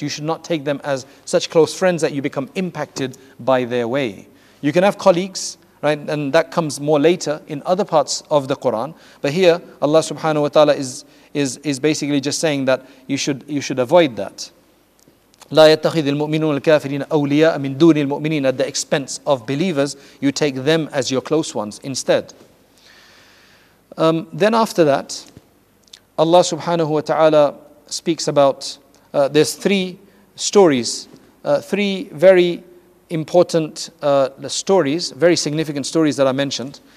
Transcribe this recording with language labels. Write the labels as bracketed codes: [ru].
[en] You should not take them as such close friends that you become impacted by their way. You can have colleagues, right? And that comes more later in other parts of the Quran. But here, Allah subhanahu wa ta'ala is basically just saying that you should avoid that. [ar] لا يتخذ المؤمنون الكافرين أولياء من دون المؤمنين. [en] At the expense of believers, you take them as your close ones instead. Then after that, Allah subhanahu wa ta'ala speaks about, there's three stories, three very important stories, very significant stories that are mentioned.